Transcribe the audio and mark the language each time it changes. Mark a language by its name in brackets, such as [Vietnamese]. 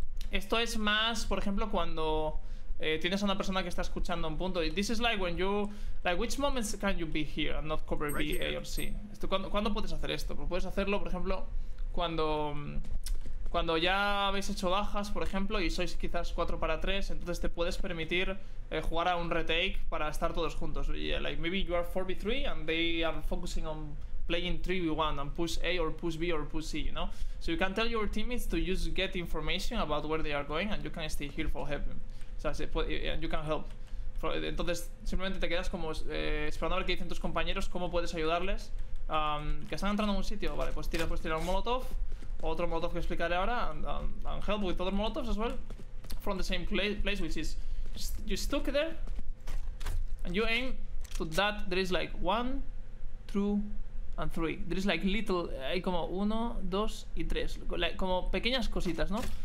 [Spanish] Esto es más, por ejemplo, cuando tienes a una persona que está escuchando un punto. [English] This is like when you, like, which moments can you be here and not cover B, right [Spanish] A or C? Esto, ¿cuándo puedes hacer esto? Puedes hacerlo, por ejemplo, cuando ya habéis hecho bajas, por ejemplo, y sois quizás 4 para 3, entonces te puedes permitir jugar a un retake para estar todos juntos. [English] Yeah, like maybe you are 4v3 and they are focusing on playing 3v1 and push A or push B or push C, you know? So you can tell your teammates to just get information about where they are going and you can stay here for helping. [Spanish] O sea, [English] and you can help. [Spanish] Entonces simplemente te quedas como esperando a ver qué dicen tus compañeros, cómo puedes ayudarles. Que están entrando en un sitio, vale, pues tiras, un molotov. Otro molotov que explicaré ahora, [English] and help with other molotovs as well from the same place, which is you stuck there and you aim to that. There is like 1, 2, and 3. There is like little, [Spanish] hay como 1, 2, y 3, [English] like, [Spanish] como pequeñas cositas, ¿no?